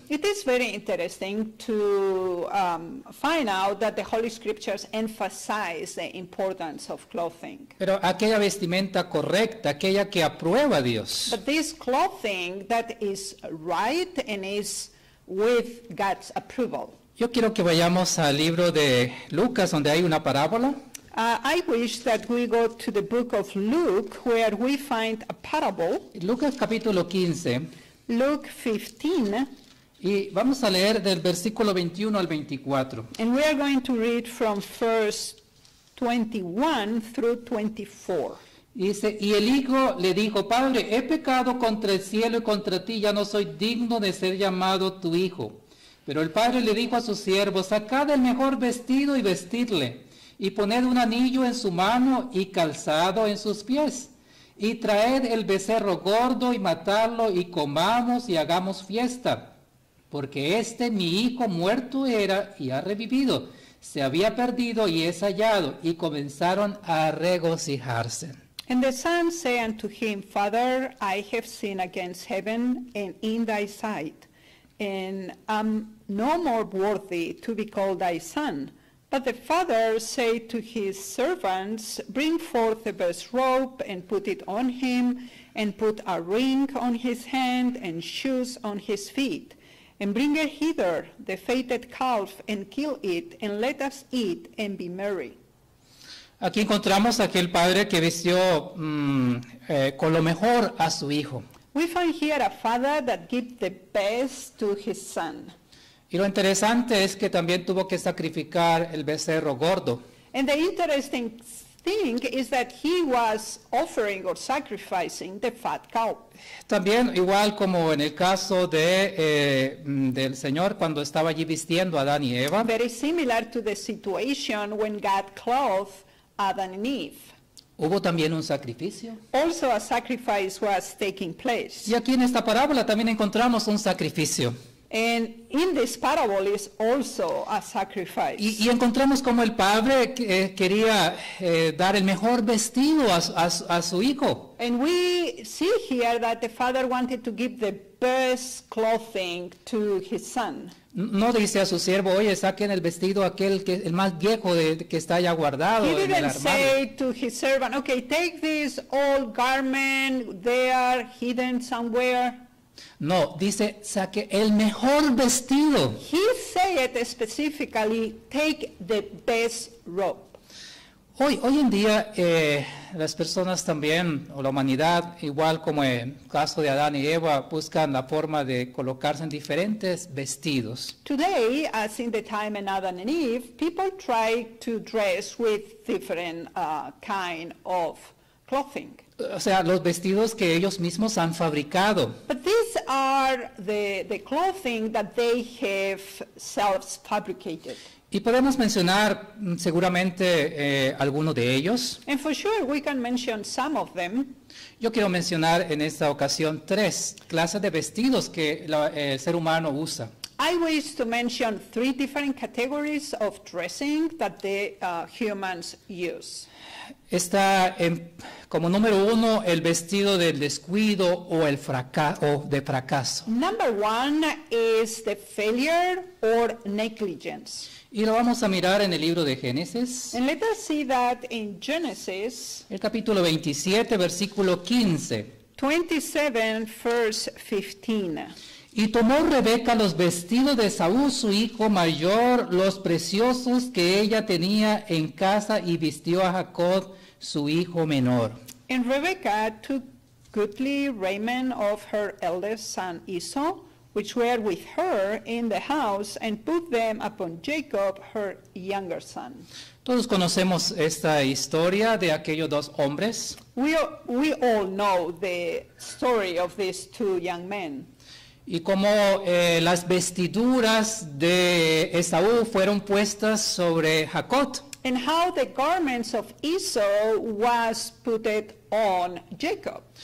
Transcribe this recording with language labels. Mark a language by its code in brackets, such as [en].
[en] It is very interesting to find out that the Holy Scriptures emphasize the importance of clothing. [es] Pero aquella vestimenta correcta, aquella que aprueba a Dios. [en] But this clothing that is right and is with God's approval. [es] Yo quiero que vayamos al libro de Lucas, donde hay una parábola. [en] I wish that we go to the book of Luke, where we find a parable. [es] Lucas capítulo 15. [en] Luke 15. [es] Y vamos a leer del versículo 21 al 24. [en] And we are going to read from verse 21 through 24. [es] Y el hijo le dijo, Padre, he pecado contra el cielo y contra ti, ya no soy digno de ser llamado tu hijo. Pero el padre le dijo a sus siervos, sacad el mejor vestido y vestidle. Y poned un anillo en su mano y calzado en sus pies. Y traed el becerro gordo y matadlo y comamos y hagamos fiesta. Porque este mi hijo muerto era y ha revivido. Se había perdido y es hallado. Y comenzaron a regocijarse. [en] And the son said unto him, Father, I have sinned against heaven and in thy sight. And am no more worthy to be called thy son. But the father said to his servants, bring forth the best robe and put it on him, and put a ring on his hand and shoes on his feet, and bring it hither, the fatted calf, and kill it, and let us eat and be merry. [es] Aquí encontramos aquel padre que vistió con lo mejor a su hijo. [en] We find here a father that gave the best to his son. [es] Y lo interesante es que también tuvo que sacrificar el becerro gordo. [en] And the interesting thing is that he was offering or sacrificing the fat calf. [es] También, igual como en el caso de del Señor cuando estaba allí vistiendo a Adán y Eva. [en] Very similar to the situation when God clothed Adam and Eve. [es] Hubo también un sacrificio. [en] Also a sacrifice was taking place. [es] Y aquí en esta parábola también encontramos un sacrificio. [en] And in this parable is also a sacrifice. [es] Y encontramos como el padre quería dar el mejor vestido a su hijo. [en] And we see here that the father wanted to give the best clothing to his son. [es] No dice a su siervo, oye, saquen el vestido aquel que el más viejo que está ya guardado en el armario. [en] He didn't say to his servant, okay, take this old garment, they are hidden somewhere. [es] No, dice, saque el mejor vestido. [en] He said specifically, take the best robe. [es] Hoy en día, las personas también, o la humanidad, igual como en el caso de Adán y Eva, buscan la forma de colocarse en diferentes vestidos. [en] Today, as in the time of Adam and Eve, people try to dress with different kind of clothing. [es] O sea, los vestidos que ellos mismos han fabricado. [en] But these are the clothing that they have self-fabricated. [es] Y podemos mencionar seguramente alguno de ellos. [en] And for sure we can mention some of them. [es] Yo quiero mencionar en esta ocasión tres clases de vestidos que el ser humano usa. [en] I wish to mention three different categories of dressing that the humans use. [es] Está en, como número uno, el vestido del descuido o el fracaso de fracaso. [en] Number one is the failure or negligence. [es] Y lo vamos a mirar en el libro de Génesis. [en] And let us see that in Genesis. [es] El capítulo 27, versículo 15. [en] 27, verse 15. [es] Y tomó Rebeca los vestidos de Saúl, su hijo mayor, los preciosos que ella tenía en casa, y vistió a Jacob, su hijo menor. [en] And Rebecca took goodly raiment of her eldest son Esau, which were with her in the house, and put them upon Jacob, her younger son. [es] Todos conocemos esta historia de aquellos dos hombres. [en] We all know the story of these two young men. [es] Y como las vestiduras de Esaú fueron puestas sobre Jacob. [en] And how the garments of Esau was put on Jacob.